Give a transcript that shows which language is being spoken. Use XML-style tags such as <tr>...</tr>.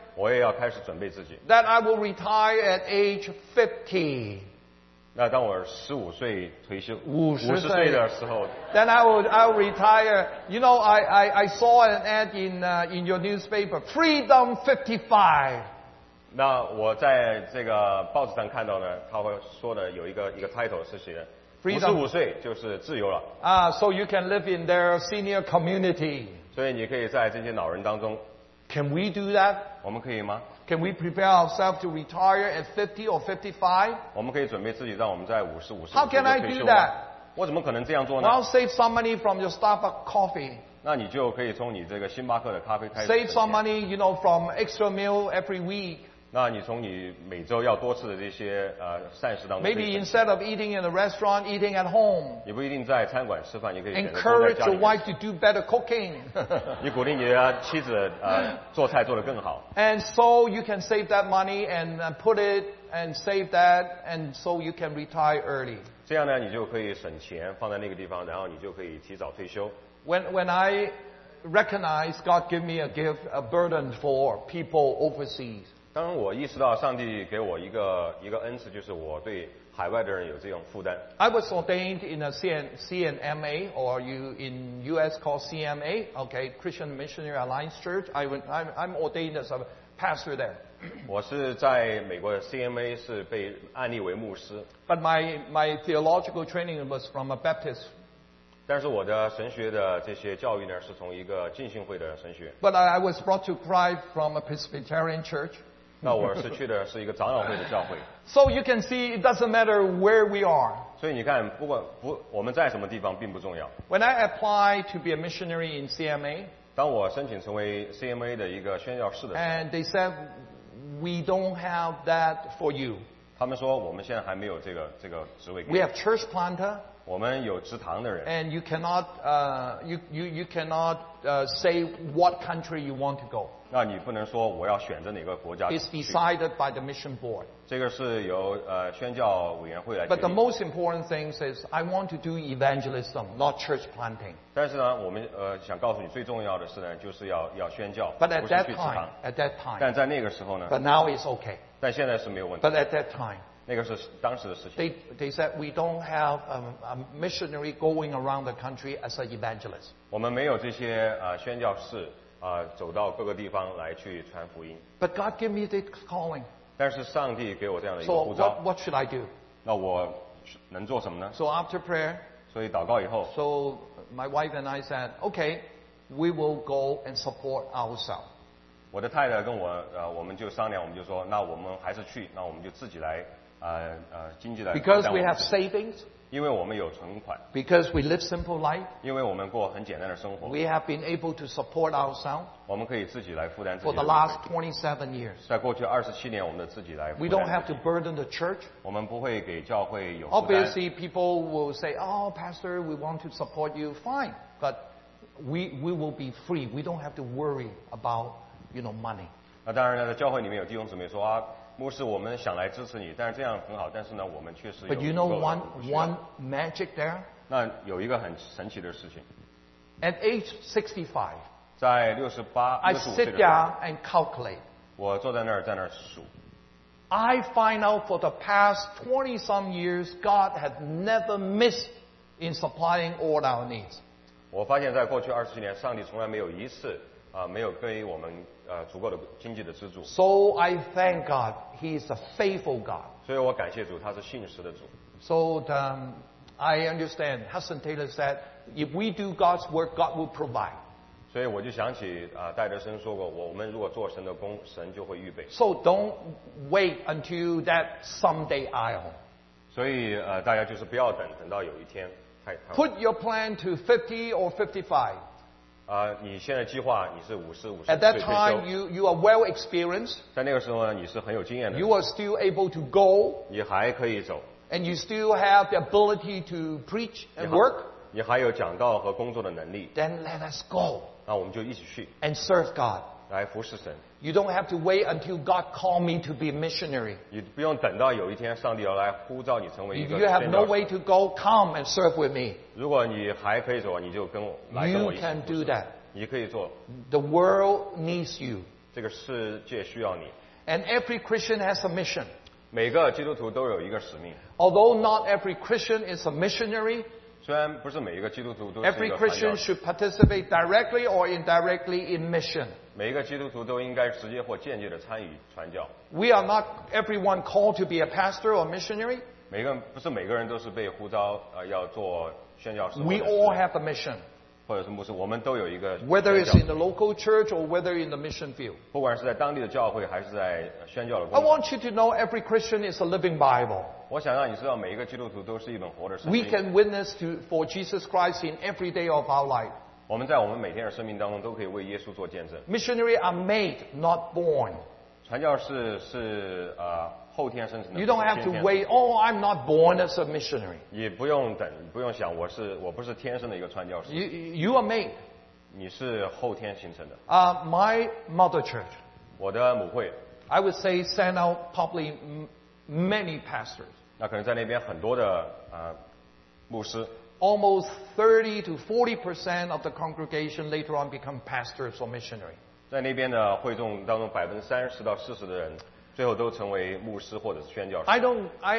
<zh>我也要开始准备自己。</zh> <en>That I will retire at age 50.</en> <zh>那当我15岁退休， 50岁的时候。</zh> <en>Then I will retire. You know, I saw an ad in your newspaper, Freedom 55.</en> <zh>那我在这个报纸上看到呢，他会说的有一个 title 是写的。 55岁就是自由了。</zh> <en>So you can live in their senior community.</en> <zh>所以你可以在这些老人当中。</zh> <en>Can we do that?</en> <zh>我们可以吗？</zh> <en>Can we prepare ourselves to retire at 50 or 55?</en> <zh>我们可以准备自己让我们在55岁。</zh> <en>How can I do that?</en> <zh>我怎么可能这样做呢？</zh> <en>Well, save some money from your Starbucks coffee.</en> <zh>那你就可以从你这个星巴克的咖啡开始。</zh> <en>Save some money, you know, from extra meal every week.</en> <zh>那你从你每周要多次的这些膳食当中。</zh> <en>Maybe instead of eating in a restaurant, eating at home.</en> <zh>你不一定在餐馆吃饭，你可以选择在家里。</zh> <en>Encourage your wife to do better cooking.</en> <zh>你鼓励你的妻子做菜做得更好。</zh> <en>And so you can save that money and put it and save that, and so you can retire early.</en> <zh>这样呢，你就可以省钱放在那个地方，然后你就可以提早退休。</zh> <en>When I recognize God give me a gift, a burden for people overseas.</en> <zh>当我意识到上帝给我一个恩赐，就是我对海外的人有这种负担。</zh> <en>I was ordained in a CNMA, or you in US called CMA, okay, Christian Missionary Alliance Church. I'm ordained as a pastor there.</en> <zh>我是在美国的 CMA 是被安立为牧师。</zh> <en>But my theological training was from a Baptist.</en> <zh>但是我的神学的这些教育呢，是从一个浸信会的神学。</zh> <en>But I was brought to Christ from a Presbyterian church.</en> <zh>那我是去的是一个长老会的教会。</zh> <en>So you can see, it doesn't matter where we are.</en> <zh>所以你看，不管不我们在什么地方并不重要。</zh> <en>When I apply to be a missionary in CMA,</en> <zh>当我申请成为 CMA 的一个宣教士的时候</zh> <en>，And they said we don't have that for you.</en> <zh>他们说我们现在还没有这个职位。</zh> <en>We have church planter.</en> <zh>我们有职堂的人。</zh> <en>And you cannot, you cannot, say what country you want to go.</en> <zh>那你不能说我要选择哪个国家。</zh> <en>It's decided by the mission board.</en> <zh>这个是由宣教委员会来决定。</zh> <en>But the most important thing is, I want to do evangelism, not church planting.</en> <zh>但是呢，我们想告诉你最重要的是呢，就是要宣教。</zh> <en>But at that time, at that time.</en> <zh>但在那个时候呢。</zh> <en>But now it's okay.</en> <zh>但现在是没有问题。</zh> <en>But at that time.</en> <zh>那个是当时的事情。</zh> <en>They said we don't have a missionary going around the country as an evangelist.</en> <zh>我们没有这些宣教士走到各个地方来去传福音。</zh> <en>But God gave me this calling.</en> <zh>但是上帝给我这样的一个呼召。</zh> <en>So what should I do?</en> <zh>那我能做什么呢？</zh> <en>So after prayer.</en> <zh>所以祷告以后。</zh> <en>So my wife and I said, okay, we will go and support ourselves.</en> <zh>我的太太跟我我们就商量，我们就说，那我们还是去，那我们就自己来经济来。</zh> <en>Because we have savings.</en> <zh>因为我们有存款。</zh> <en>Because we live simple life.</en> <zh>因为我们过很简单的生活。</zh> <en>We have been able to support ourselves.</en> <zh>我们可以自己来负担自己。</zh> <en>For the last 27 years.</en> <zh>在过去27年，我们的自己来负担。</zh> <en>We don't have to burden the church.</en> <zh>我们不会给教会有负担。</zh> <en>Obviously, people will say, "Oh, pastor, we want to support you. Fine, but we will be free. We don't have to worry about." You know, money.</en> <zh>那当然呢，在教会里面有弟兄姊妹说啊，牧师，我们想来支持你，但是这样很好，但是呢，我们确实有。</zh> <en>But you know one magic there.</en> <zh>那有一个很神奇的事情。</zh> <en>At age 65.</en> <zh>在68、65岁的时候。</zh> <en>I sit down and calculate.</en> <zh>我坐在那儿，在那儿数。</zh> <en>I find out for the past 20 some years, God has never missed in supplying all our needs.</en> <zh>我发现，在过去27年，上帝从来没有一次。没有给我们足够的经济的资助。</zh> <en>So I thank God, He is a faithful God.</en> <zh>所以我感谢主，他是信实的主。</zh> <en>So I understand, Hudson Taylor said, if we do God's work, God will provide.</en> <zh>所以我就想起啊，戴德森说过，我们如果做神的工，神就会预备。</zh> <en>So don't wait until that someday aisle.</en> <zh>所以大家就是不要等到有一天。</zh> <en>Put your plan to 50 or 55.</en> <zh>你现在计划你是50、55岁。</zh> <en>At that time, you are well experienced.</en> <zh>在那个时候呢，你是很有经验的。</zh> <en>You are still able to go.</en> <zh>你还可以走。</zh> <en>And you still have the ability to preach and work.</en> <zh>你还有讲道和工作的能力。</zh> <en>Then let us go.</en> <zh>那我们就一起去。</zh> <en>And serve God.</en> <zh>来服侍神。</zh> <en>You don't have to wait until God called me to be a missionary.</en> <zh>你不用等到有一天上帝要来呼召你成为一个宣道士。</zh> <en>If you have no way to go, come and serve with me.</en> <zh>如果你还可以走，你就跟我来跟我一起服侍。</zh> <en>You can do that.</en> <zh>你可以做。</zh> <en>The world needs you.</en> <zh>这个世界需要你。</zh> <en>And every Christian has a mission.</en> <zh>每个基督徒都有一个使命。</zh> <en>Although not every Christian is a missionary,</en> <zh>虽然不是每一个基督徒都是一个传道。</zh> <en>Every Christian should participate directly or indirectly in mission.</en> <zh>每一个基督徒都应该直接或间接的参与传教。</zh> <en>We are not everyone called to be a pastor or missionary.</en> <zh>不是每个人都是被呼召要做宣教士。</zh> <en>We all have a mission.</en> <zh>或者是牧师，我们都有一个。</zh> <en>Whether it's in the local church or whether in the mission field.</en> <zh>不管是在当地的教会还是在宣教的工作。</zh> <en>I want you to know every Christian is a living Bible.</en> <zh>我想让你知道每一个基督徒都是一本活的圣经。</zh> <en>We can witness for Jesus Christ in every day of our life.</en> <zh>我们在我们每天的生命当中都可以为耶稣做见证。</zh> <en>Missionary are made, not born.</en> <zh>传教士是后天生成的。</zh> <en>You don't have to wait. Oh, I'm not born as a missionary.</en> <zh>你不用等，不用想，我不是天生的一个传教士。</zh> <en>You are made.</en> <zh>你是后天形成的。</zh> <en>My mother church.</en> <zh>我的母会。</zh> <en>I would say send out probably many pastors.</en> <zh>那可能在那边很多的牧师。</zh> <en>Almost 30 to 40% of the congregation later on become pastors or missionary.</en> <zh>在那边的会众当中，30%-40%的人最后都成为牧师或者是宣教士。</zh>